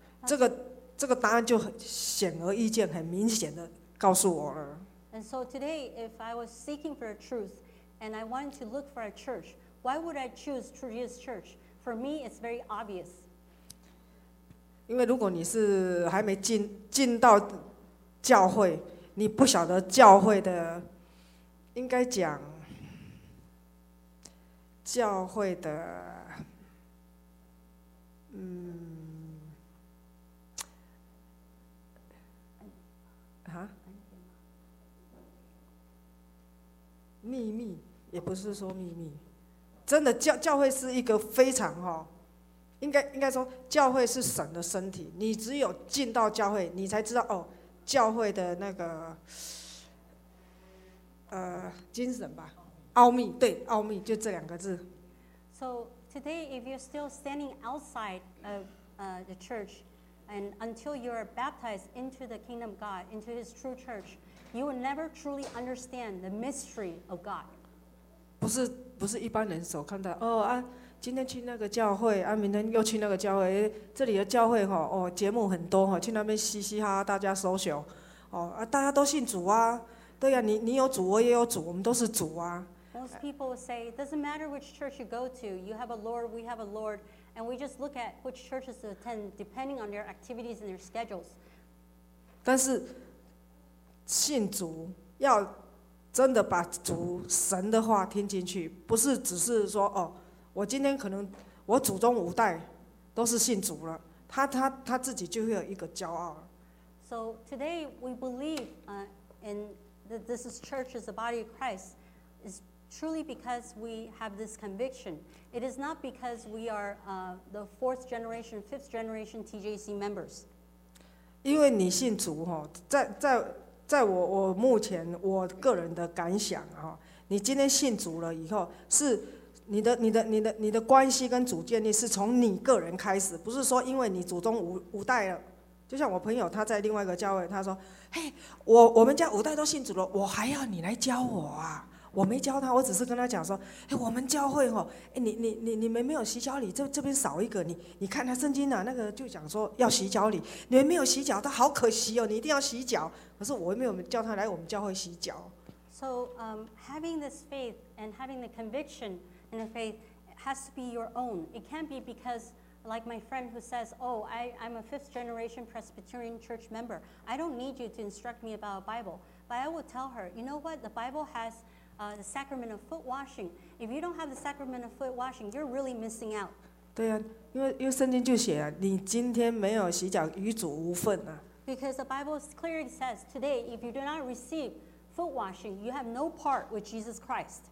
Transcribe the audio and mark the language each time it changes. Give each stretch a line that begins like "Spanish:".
Chinese: 这个答案就显而易见，很明显的告诉我了。
English: And so today, if I was seeking for a truth, and I wanted to look for a church, why would I choose True Jesus Church? For me, it's very obvious.
Chinese: 因为如果你是还没进到教会，你不晓得教会的，应该讲教会的，秘密也不是说秘密，真的 教会是一个非常应该说教会是神的身体，你只有进到教会你才知道教会的那个精神吧，奥秘，对，奥秘就这两个字。
English: So today if you're still standing outside of the church and until you're baptized into the kingdom of God, into his true churchYou will never truly understand the mystery of God.
Chinese: 不是一般人所看到哦啊，今天去那个教会啊，明天又去那个教会。这里的教会节目很多去那边嘻嘻哈哈，大家 social 大家都信主啊，对呀、啊，你有主，我也有主，我们都是主啊。
English: Most people will say, it doesn't matter which church you go to. You have a Lord, we have a Lord, and we just look at which churches to attend depending on their activities and their schedules.
Chinese: 但是信主要真的把主神的话听进去，不是只是说我今天可能我祖宗五代都是信主了，他自己就会有一个骄傲。
English: So today we believe in that this is church is the body of Christ is truly because we have this conviction. It is not because we are the fourth generation, fifth generation TJC members.
Chinese: 因为你信主在我目前我个人的感想你今天信主了以后，是你的关系跟主建立是从你个人开始，不是说因为你祖宗五代了。就像我朋友他在另外一个教会，他说：“嘿，我们家五代都信主了，我还要你来教我啊？” 我没教他，我只是跟他讲说：“我们教会你们没有洗脚礼，这边少一个，你看他圣经那个就讲说要洗脚礼，你们没有洗脚，他好可惜哦，你一定要洗脚。” 可是我没有叫他来我们教会洗脚。
English: So, having this faith and having the conviction in the faith has to be your own. It can't be because, like my friend who says, "Oh, I'm a fifth generation Presbyterian church member. I don't need you to instruct me about a Bible." But I will tell her, you know what? The Bible has the sacrament of foot washing. If you don't have the sacrament of foot washing, you're really missing out.
Chinese: 对啊，因为圣经就写啊，你今天没有洗脚，与主无份啊。
English: Because the Bible clearly says today, if you do not receive foot washing, you have no part with Jesus Christ.